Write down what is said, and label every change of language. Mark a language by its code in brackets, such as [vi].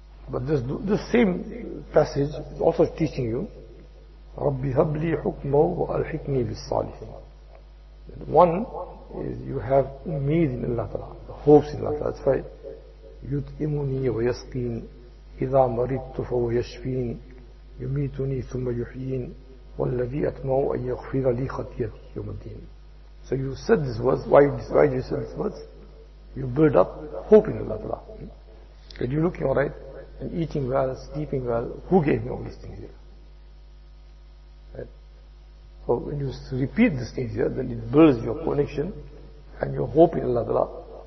[en] But this same passage is also teaching you, [ar] رَبِّ هَبْ لِي حُكْمًا وَأَلْحِقْنِي بِالصَّالِحِينَ. [en] One is you have umid in Allah Ta'ala, the hopes in Allah Ta'ala. That's why, [ar] يُطْئِمُنِي وَيَسْقِينَ إِذَا مَرِدْتُ فَهُوَ يَشْفِينَ يُمِيتُنِي ثُمَّ يُحْيِينَ وَالَّذِي أَطْمَعُ أَنْ يَغْفِرَ لِي خَطِيَةِ يَوْمَ الدِّينِ. [en] So you said these words. Why do you say these words? You build up hope in Allah Ta'ala. Are you looking alright? And eating well, sleeping well. Who gave me all these things here? Right? So when you repeat these things here, then it builds your connection and your hope in Allah Ta'ala.